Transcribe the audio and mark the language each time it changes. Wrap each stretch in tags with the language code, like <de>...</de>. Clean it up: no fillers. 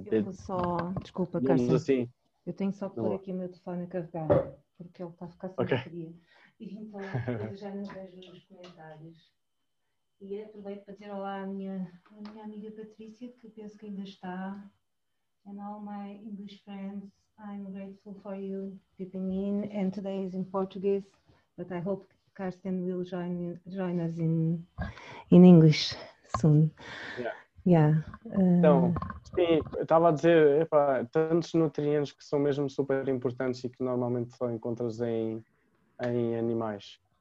<pt>Eu vou só, desculpa, digamos Cássio, assim. eu tenho só que pôr Não. aqui o meu telefone a carregar, porque ele está a ficar sem Ok. bateria. E então eu já não vejo os comentários. E aproveito para dizer olá à minha amiga Patrícia, que penso que ainda está.</pt> <en>And all my English friends, I'm grateful for you dipping in, and today is in Portuguese. But I hope Karsten will join us in English soon.</en> <pt>Então, sim, estava a dizer, epa, tantos nutrientes que são mesmo super importantes e que normalmente só encontras em animais,</pt>